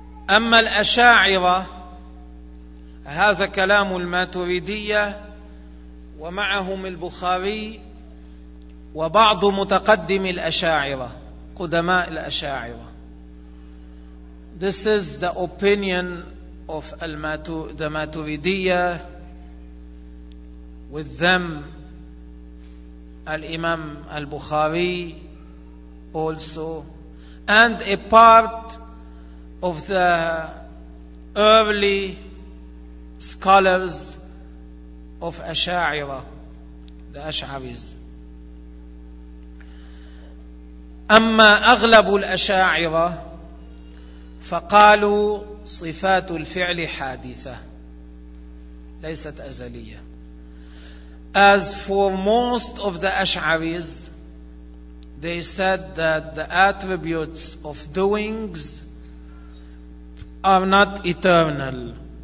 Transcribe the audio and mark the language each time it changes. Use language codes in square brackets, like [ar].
[ar] أما الأشاعرة, هذا كلام الماتريدية ومعهم البخاري وبعض متقدم الأشاعرة, قدماء الأشاعرة. [en] This is the opinion of the ماتريدية. With them, Al-Imam Al-Bukhari also, and a part of the early scholars of Ash'ari, the Ash'aris. [ar] أما أغلب الأشاعرة فقالوا صفات الفعل حادثة ليست أزلية. [en] As for most of the Ash'aris, they said that the attributes of doings are not eternal.